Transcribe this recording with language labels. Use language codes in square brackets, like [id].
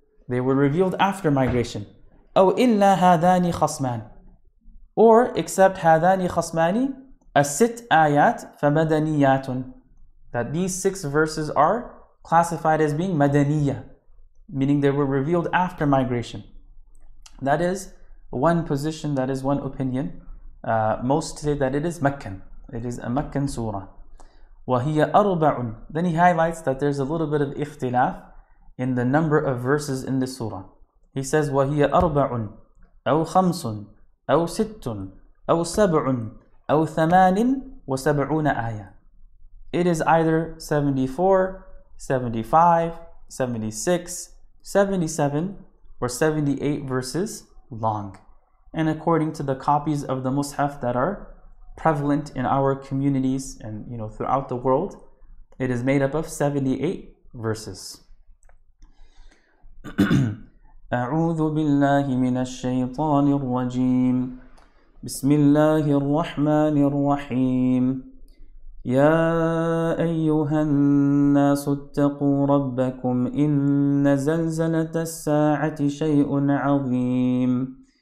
[en] They were revealed after migration. [ar] أو إلا هذان خصمان, [en] or except [ar] هذان خصمان, الست آيات فمدنيات, [en] that these six verses are classified as being مدنية, meaning they were revealed after migration. That is one position, that is one opinion. Most say that it is Meccan, it is a Meccan surah. [ar] وهي أربع, [en] then he highlights that there's a little bit of اختلاف in the number of verses in this surah. He says, [ar] وَهِيَ أَرْبَعٌ أَوْ خَمْسٌ أَوْ سِتٌ أَوْ سَبْعٌ أَوْ ثَمَانٍ وَسَبْعُونَ آيَةٌ. [en] It is either 74, 75, 76, 77, or 78 verses long. And according to the copies of the Mus'haf that are prevalent in our communities and, you know, throughout the world, it is made up of 78 verses. [ar] أعوذ بالله من الشيطان الرجيم بسم الله الرحمن الرحيم يا أيها الناس اتقوا ربكم إن زلزلة الساعة شيء عظيم